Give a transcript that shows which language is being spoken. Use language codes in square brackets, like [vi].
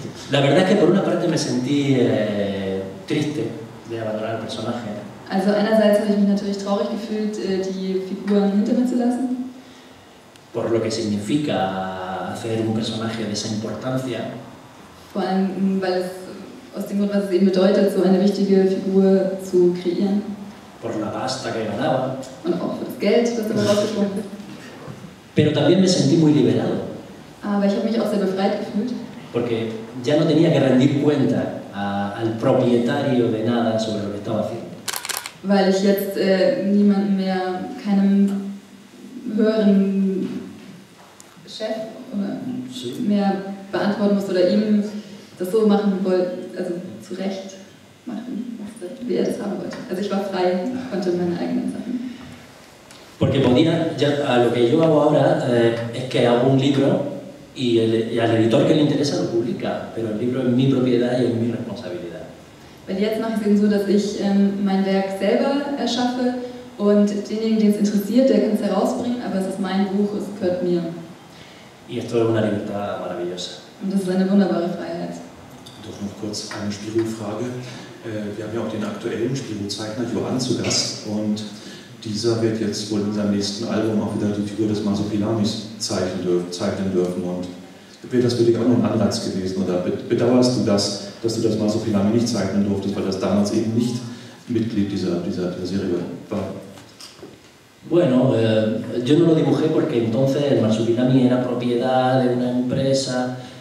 [es] La verdad es que por una parte me sentí triste de abandonar el personaje. [de] Also einerseits habe ich mich natürlich traurig gefühlt, die Figuren hinter mir zu lassen. [es] Por lo que significa hacer un personaje de esa importancia. [de] Vor allem, weil es aus dem Grund, was es eben bedeutet, so eine wichtige Figur zu kreieren. [es] Por la pasta que ganaba. [de] Und auch für das Geld, das immer rausgesprungen ist. [es] Pero también me sentí muy liberado. [de] Aber ich habe mich auch sehr befreit gefühlt. [es] Porque ya no tenía que rendir cuenta al propietario de nada sobre lo que estaba haciendo. [de] Weil ich jetzt niemanden mehr, keinem höheren Chef oder mehr beantworten muss oder ihm das so machen wollte, also zurecht machen musste, wie er das haben wollte. Also ich war frei, konnte meine eigenen Sachen. [es] Porque podía, ya, a lo que yo hago ahora es que hago un libro. Y al editor que le interesa lo publica, pero el libro es mi propiedad y es mi responsabilidad. [de] Weil jetzt mache ich es eben so, dass ich mein Werk selber erschaffe und denjenigen, den es interessiert, der kann es herausbringen, aber es ist mein Buch, es gehört mir. [es] Y esto es una libertad maravillosa. [de] Und das ist eine wunderbare Freiheit. Doch noch kurz eine Spiro-Frage. Wir haben ja auch den aktuellen Spiro-Zeichner Johann zu Gast und dieser wird jetzt wohl in seinem nächsten Album auch wieder die Figur des Masopilamis zeichnen dürfen. Und wäre das für dich auch noch ein Anreiz gewesen? Oder bedauerst du das, dass du das Masopilami nicht zeichnen durftest, weil das damals eben nicht Mitglied dieser Serie war? [es] Bueno, yo no lo dibujé porque entonces el Masopilami era propiedad de una empresa.